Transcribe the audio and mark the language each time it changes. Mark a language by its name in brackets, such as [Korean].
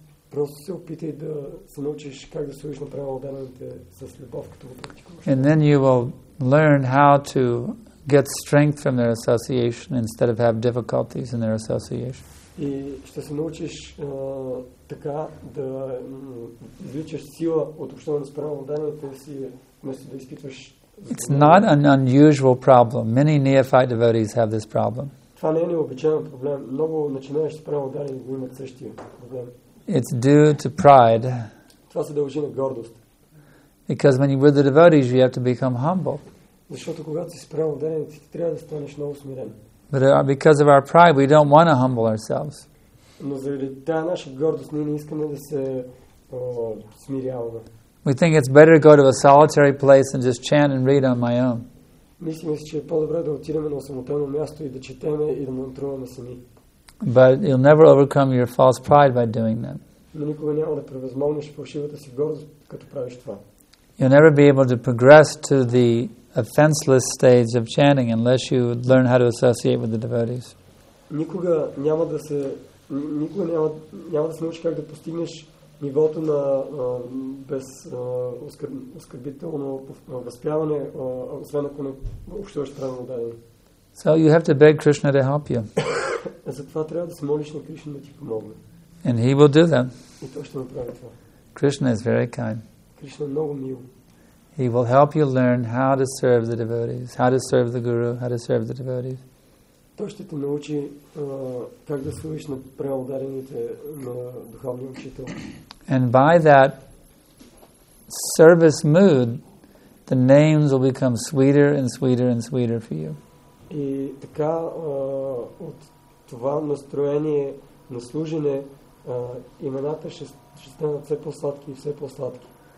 [Bulgarian] Просто се опитай да се научиш как да служиш на преданите с любов, като го практикуваш. [English] And then you will learn how to get strength from their association instead of have difficulties in their association. [Bulgarian] И ще се научиш така да извлечеш сила от общуване с преданите си, вместо да изпитваш. [English] It's not an unusual problem. Many neophyte devotees have this problem. [Bulgarian] Това не е необичайен проблем. Много начинаещи преданици имат същия проблем. [English] It's due to pride. [Bulgarian] Това се дължи на гордост. [English] Because when you're with the devotees, you have to become humble. [Bulgarian] Защото когато си преданец, ти трябва да станеш много смирен. [English] But because of our pride, we don't want to humble ourselves. [Bulgarian] Но заради тази наша гордост, ние не искаме да се смиряваме. [English] We think it's better to go to a solitary place and just chant and read on my own. [Bulgarian] Мислим, че е по-добре да отидем на самотено място и да четем и да мантруваме сами. [English] But you'll never overcome your false pride by doing that. [Bulgarian] Но никога няма да превъзмогнеш фалшивата си гордост, като правиш това. [English] You'll never be able to progress to the offenseless stage of chanting unless you learn how to associate with the devotees. [Bulgarian] Никога няма да се научиш как да постигнеш нивото на без оскърбително възпяване, освен ако не общуваш правилно дадени. [English] So you have to beg Krishna to help you. [Bulgarian] Затова трябва да се молиш на Кришна да ти помогне. [English] And he will do that. [Bulgarian] И той ще направи това. [English] Krishna is very kind. [Bulgarian] Кришна е много мил. [English] He will help you learn how to serve the devotees, how to serve the guru, how to serve the devotees. [Bulgarian] Той ще те научи как да служиш на преодарените на духовния учител. [English] And by that service mood, the names will become sweeter and sweeter and sweeter for you. [Bulgarian] И така от това настроение на служене имената ще станат все по-сладки и все по-сладки.